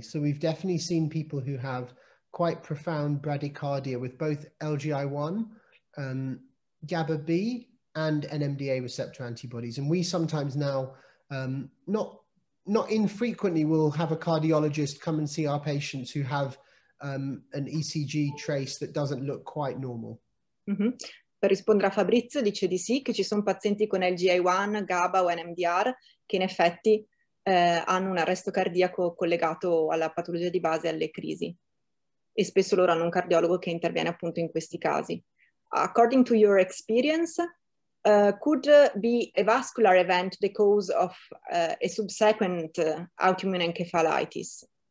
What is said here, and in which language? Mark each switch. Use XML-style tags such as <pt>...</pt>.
<en>So we've definitely seen people who have quite profound bradycardia with both LGI1, GABA-B, and NMDA receptor antibodies. And we sometimes now, not infrequently, will have a cardiologist come and see our patients who have an ECG trace that doesn't look quite normal. Mm-hmm.</en> <it>Per rispondere a Fabrizio, dice di sì, che ci sono pazienti con LGI1, GABA o NMDR che in effetti hanno un arresto cardiaco collegato alla patologia di base e alle crisi. E spesso loro hanno un cardiologo che interviene appunto in questi casi.</it> <en>According to your experience, could be a vascular event the cause of a subsequent autoimmune encephalitis?</en>